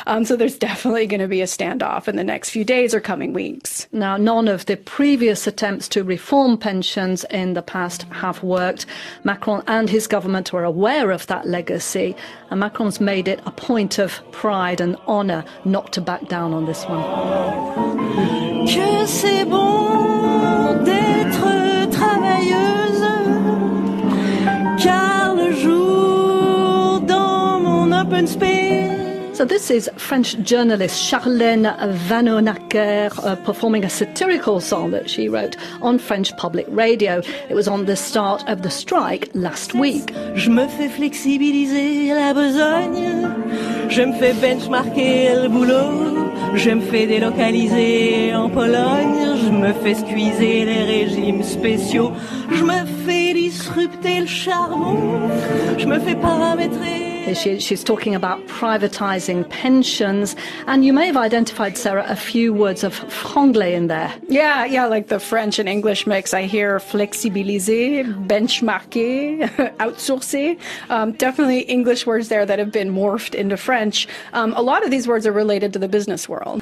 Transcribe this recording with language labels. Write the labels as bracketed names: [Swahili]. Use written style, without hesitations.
[English] So there's definitely going to be a standoff in the next few days or coming weeks. Now, none of the previous attempts to reform pensions in the past have worked. Macron and his government were aware of that legacy, and Macron's made it a point of pride and honour not to back down on this one. [French] Que c'est bon d'être travailleuse, car le jour dans mon open space [English] So this is French journalist Charlène Vanhoenacker performing a satirical song that she wrote on French public radio. It was on the start of the strike last week. [French] Je me fais flexibiliser la besogne, je me fais benchmarker le boulot, je me fais délocaliser en Pologne, je me fais squeezer les régimes spéciaux, je me fais disrupter le charbon, je me fais paramétrer. [English] She's talking about privatizing pensions. And you may have identified, Sarah, a few words of franglais in there. Yeah, like the French and English mix. I hear flexibiliser, benchmarker, outsourcer. Definitely English words there that have been morphed into French. A lot of these words are related to the business world.